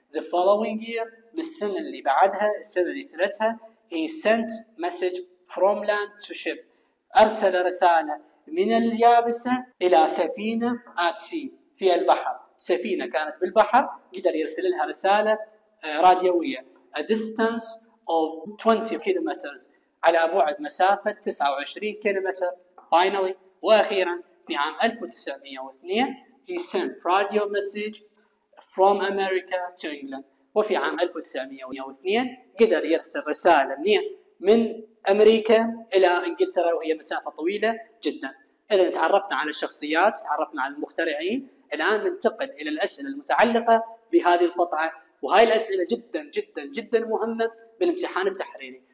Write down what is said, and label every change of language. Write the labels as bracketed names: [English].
[English] The following year، [Arabic] بالسنة اللي بعدها، السنة اللي تلتها، [English] he sent message from land to ship. [Arabic] أرسل رسالة من اليابسة إلى سفينة [English] at sea، [Arabic] في البحر. سفينة كانت بالبحر، قدر يرسل لها رسالة راديوية. [English] A distance of 20 kilometers، [Arabic] على بعد مسافة 29 كيلومتر. [English] Finally، [Arabic] وأخيرا في عام 1902 [English] he sent radio message from America to England. [Arabic] وفي عام 1902 قدر يرسل رسالة من أمريكا إلى إنجلترا، وهي مسافة طويلة جدا. إذا تعرفنا على الشخصيات، تعرفنا على المخترعين، الآن ننتقل إلى الأسئلة المتعلقة بهذه القطعة، وهاي الأسئلة جدا جدا جدا مهمة بالامتحان التحريري.